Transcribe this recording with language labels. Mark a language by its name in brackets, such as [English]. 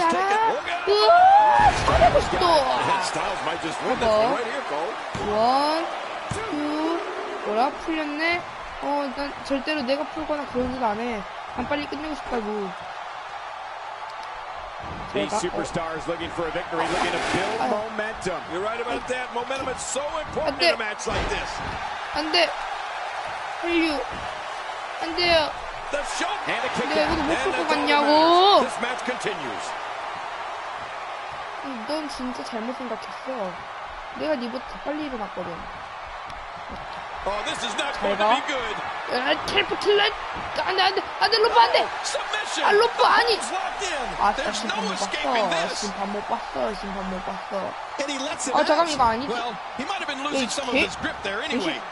[English] Head Styles might just win this one right here, Cole. One, two. [Korean] 뭐라? 풀렸네? 어, 난 절대로 내가 풀거나 그런 짓 안 해. 난 빨리 끝내고 싶다고. 제가? 슈퍼스타즈 [English] looking for a victory, looking to build momentum. You're right about that. Momentum is so important in a match like this. [Korean] 안 돼. 훌륭. 안 돼요. 내가 이것도 못 풀 것 같냐고. [English] This match continues. [Korean] 넌 진짜 잘못 생각했어. 내가 네부터 빨리 일어났거든. [English] Oh, this is not going to be good. Triple clutch. And then Lupa. Submission. And Lupa. He's locked in. There's no escaping this. And he lets it out. Well, he might have been losing some of his grip there anyway.